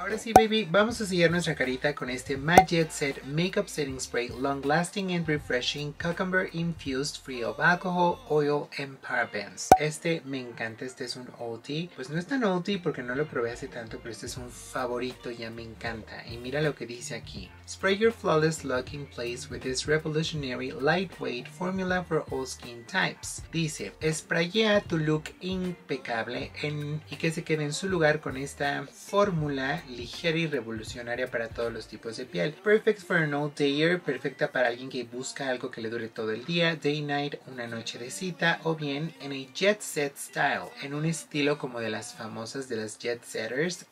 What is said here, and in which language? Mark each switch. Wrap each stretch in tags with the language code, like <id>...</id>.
<es>Ahora sí, baby, vamos a sellar nuestra carita con este Matte Jet Set Makeup Setting Spray Long Lasting and Refreshing Cucumber Infused Free of Alcohol, Oil and Parabens. Este me encanta, este es un oldie. Pues no es tan oldie porque no lo probé hace tanto, pero este es un favorito, ya me encanta. Y mira lo que dice aquí.</es> <en>Spray your flawless look in place with this revolutionary lightweight formula for all skin types.</en> <es>Dice, sprayea tu look impecable en y que se quede en su lugar con esta fórmula ligera y revolucionaria para todos los tipos de piel.</es> <en>Perfect for an all dayer,</en> <es>perfecta para alguien que busca algo que le dure todo el día,</es> <en>day night,</en> <es>una noche de cita, o bien en</es> <en>a jet set style,</en> <es>en un estilo como de las famosas de las jet setters.</es>